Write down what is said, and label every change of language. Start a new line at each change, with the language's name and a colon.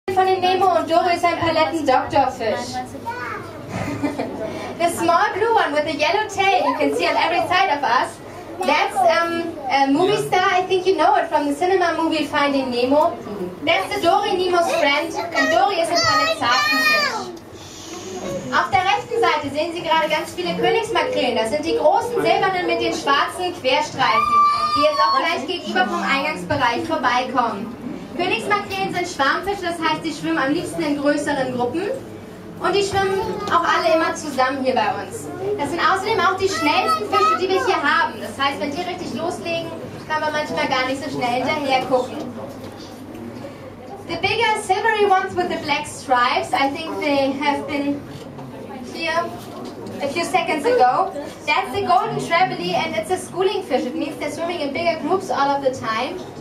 English: funny name on Joe is I'm Paletten Doctor Fish. The small blue one with the yellow tail you can see on every side of us, that's a movie star, I think you know it, from the cinema movie Finding Nemo. That's the Dory, Nemo's friend, and Dory is a Paletzarfenfisch.
German: Auf der rechten Seite sehen Sie gerade ganz viele Königsmakrelen. Das sind die großen silbernen mit den schwarzen Querstreifen, die jetzt auch gleich gegenüber vom Eingangsbereich vorbeikommen. Königsmakrelen sind Schwarmfische, das heißt, sie schwimmen am liebsten in größeren Gruppen. Und die schwimmen auch alle immer zusammen hier bei uns. Das sind außerdem auch die schnellsten Fische, die wir hier haben. Das heißt, wenn die richtig loslegen, kann man manchmal gar nicht so schnell hinterher gucken.
English: The bigger silvery ones with the black stripes, I think they have been here a few seconds ago. That's the golden trevally, and it's a schooling fish. It means they're swimming in bigger groups all of the time.